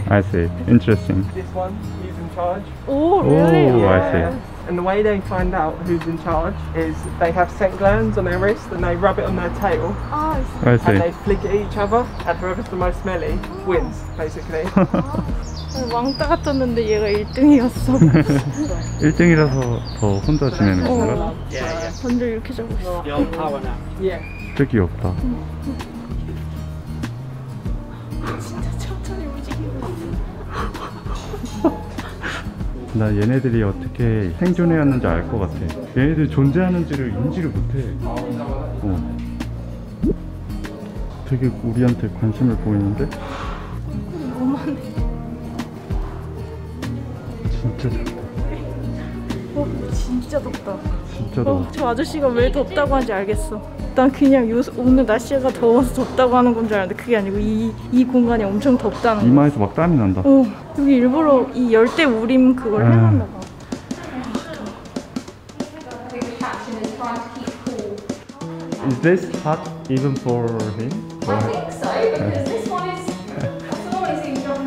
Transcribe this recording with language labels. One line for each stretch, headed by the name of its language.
English: I see. Interesting. This one, he's in charge. Oh, really? Oh, yeah. I see. And the way they find out who's in charge is they have scent glands on their wrist and they rub it on their tail. Oh, I see. And they flick at each other, and whoever's the most smelly wins, basically.
Korean: 왕따 같았는데 얘가 1등이었어. 1등이라서 더 혼자 지내는 건가? 먼저 이렇게 적었어. 되게 귀엽다. 진짜 천천히 움직이고. 나 얘네들이 어떻게 생존해왔는지 알 것 같아. 얘네들 존재하는지를 인지를 못해. 되게 우리한테 관심을 보이는데? 진짜 덥다. 진짜 덥다. 진짜 덥다. 저 아저씨가 왜 덥다고 하는지 알겠어. 난 그냥 오늘 날씨가 더워서 덥다고 하는 건 줄 알았는데 그게 아니고 이 공간이 엄청 덥다는 거. 이마에서 막 땀이 난다. 여기 일부러 이 열대 우림 그걸 해놨나 봐.
English: 아, Is this hot even for him? I think so because this one is always in John